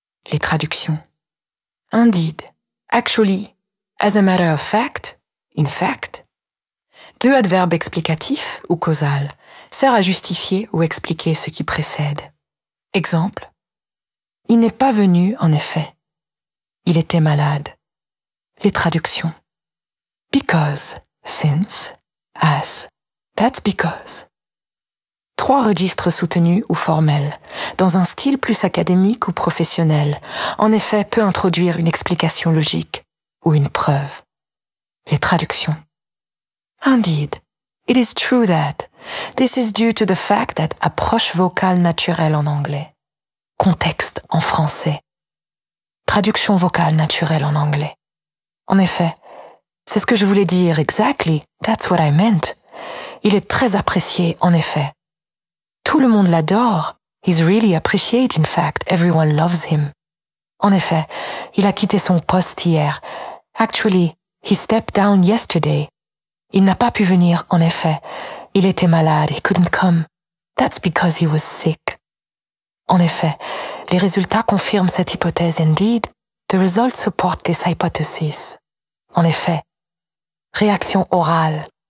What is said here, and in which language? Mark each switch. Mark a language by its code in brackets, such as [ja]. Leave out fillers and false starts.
[fr] Les traductions. [en] Indeed. Actually. As a matter of fact. In fact. [fr] 2 adverbes explicatifs ou causal. Sert à justifier ou expliquer ce qui précède. Exemple. Il n'est pas venu, en effet. Il était malade. Les traductions. [en] Because, since, as, that's because. [fr] 3 registres soutenus ou formels, dans un style plus académique ou professionnel. En effet, peut introduire une explication logique ou une preuve. Les traductions. [en] Indeed, it is true that. This is due to the fact that [fr] approche vocale naturelle en anglais. Contexte en français. Traduction vocale naturelle en anglais. En effet, c'est ce que je voulais dire [en] exactly. That's what I meant. [fr] Il est très apprécié, en effet. Tout le monde l'adore. [en] He's really appreciated, in fact. Everyone loves him. [fr] En effet, il a quitté son poste hier. [en] Actually, he stepped down yesterday. [fr] Il n'a pas pu venir, en effet. Il était malade. [en] He couldn't come. That's because he was sick. [fr] En effet, les résultats confirment cette hypothèse. [en] Indeed, the results support this hypothesis. [fr] En effet, réaction orale.